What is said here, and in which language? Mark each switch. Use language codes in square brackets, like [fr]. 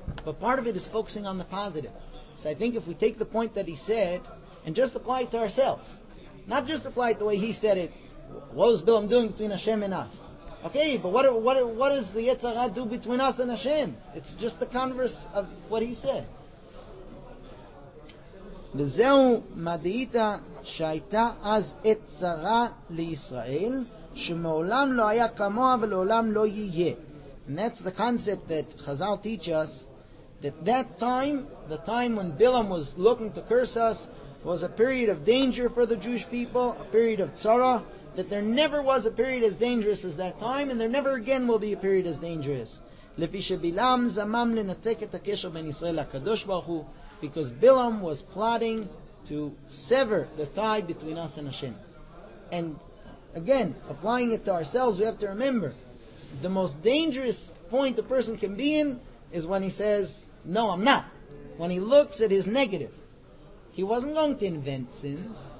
[en] But part of it is focusing on the positive. So I think if we take the point that he said and just apply it to ourselves, not just apply it the way he said it, what was Bilam doing between Hashem and us? Okay, but what does the Yetzirah do between us and Hashem? It's just the converse of what he said. [he] וזהו מדעית שהייתה אז עת צרה לישראל שמעולם לא היה כמוה ולעולם לא יהיה. [en] And that's the concept that Chazal teach us, that that time, the time when Bilam was looking to curse us, was a period of danger for the Jewish people, a period of tzara, that there never was a period as dangerous as that time, and there never again will be a period as dangerous. [he] לפי שבילם זמם לנתק את הקשר בין ישראל לקדוש ברוך הוא. [en] Because Bilam was plotting to sever the tie between us and Hashem. And again, applying it to ourselves, we have to remember, the most dangerous point a person can be in is when he says, no, I'm not. When he looks at his negative. He wasn't going to invent sins.